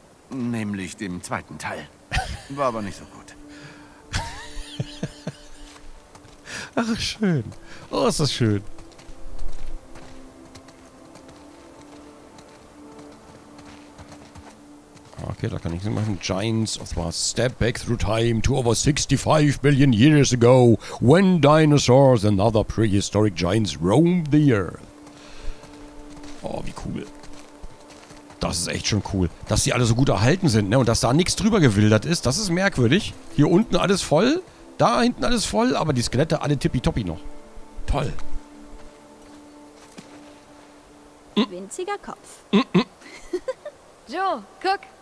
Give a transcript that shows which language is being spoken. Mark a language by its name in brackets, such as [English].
[German] Nämlich dem zweiten Teil. War aber nicht so gut. Ach, schön. Oh, ist das schön. Okay, da kann ich nichts machen. [English] Giants of the Past. Step back through time to over 65 billion years ago, when dinosaurs and other prehistoric giants roamed the earth. [German] Oh, wie cool. Das ist echt schon cool, dass die alle so gut erhalten sind, ne? Und dass da nichts drüber gewildert ist, das ist merkwürdig. Hier unten alles voll, da hinten alles voll, aber die Skelette alle tippitoppi noch. Toll. Winziger Kopf. Joe, guck.